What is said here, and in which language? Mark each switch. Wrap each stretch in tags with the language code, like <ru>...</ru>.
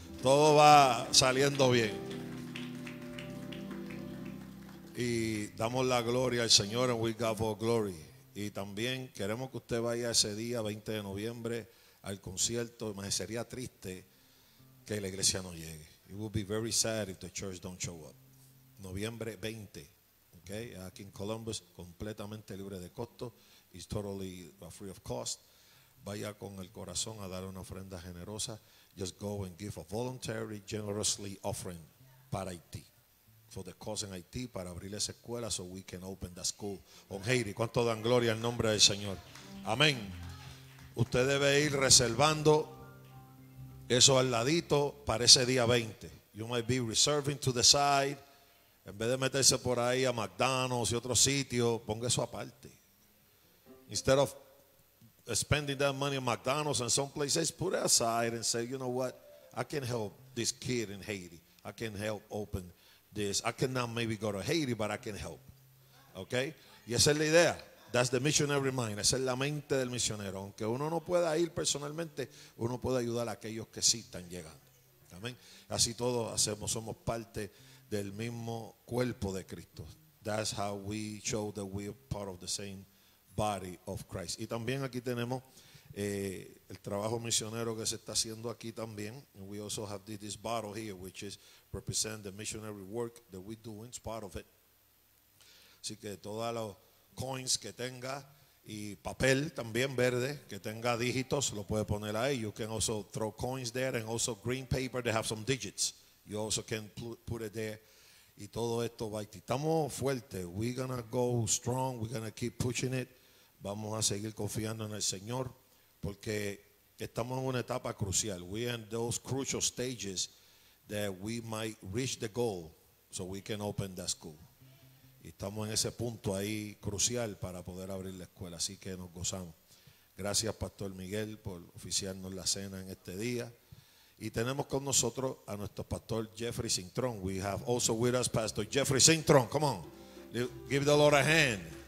<es>Todo va saliendo bien. Y damos la gloria al Señor,</es> <en>and we give all glory.</en> <es>Y también queremos que usted vaya ese día 20 de noviembre al concierto. Me sería triste que la iglesia no llegue.</es> <en>It would be very sad if the church don't show up.</en> <es>Noviembre 20, okay, aquí en Columbus, completamente libre de costo.</es> <en>It's totally free of cost.</en> <es>Vaya con el corazón a dar una ofrenda generosa.</es> <en>Just go and give a voluntary, generously offering para Haití. For the cause in Haiti,</en> <es>para abrir esa escuela</es> <en>so we can open that school on Haiti.</en> <es>¿Cuánto dan gloria al nombre del Señor? Amén. Usted debe ir reservando eso al ladito para ese día 20.</es> <en>You might be reserving to the side.</en> <es>En vez de meterse por ahí a McDonald's y otro sitio, ponga eso aparte.</es> <en>Instead of spending that money at McDonald's and some places, put it aside and say, you know what, I can help this kid in Haiti. I can help open this. I cannot maybe go to Haiti, but I can help.</en> <es>Okay? Y esa es la idea.</es> <en>That's the missionary mind.</en> <es>Esa es la mente del misionero. Aunque uno no pueda ir personalmente, uno puede ayudar a aquellos que sí están llegando. Amen. Así todos hacemos, somos parte del mismo cuerpo de Cristo.</es> <en>That's how we show that we are part of the same body of Christ.</en> <es>Y también aquí tenemos el trabajo misionero que se está haciendo aquí también.</es> <en>And we also have this bottle here, which is represent the missionary work that we do. It's part of it.</en> <es>Así que todos los coins que tenga y papel también verde que tenga dígitos lo puede poner ahí.</es> <en>You can also throw coins there, and also green paper that have some digits. You also can put it there.</en> <es>y todo esto va. Estamos fuertes.</es> <en>We're gonna go strong. We're gonna keep pushing it.</en> <es>Vamos a seguir confiando en el Señor porque estamos en una etapa crucial.</es> <en>We're in those crucial stages that we might reach the goal so we can open that school.</en> <es>Y estamos en ese punto ahí crucial para poder abrir la escuela. Así que nos gozamos. Gracias, Pastor Miguel, por oficiarnos la cena en este día. Y tenemos con nosotros a nuestro pastor Jeffrey Cintrón.</es> <en>We have also with us Pastor Jeffrey Cintrón. Come on. Give the Lord a hand.</en>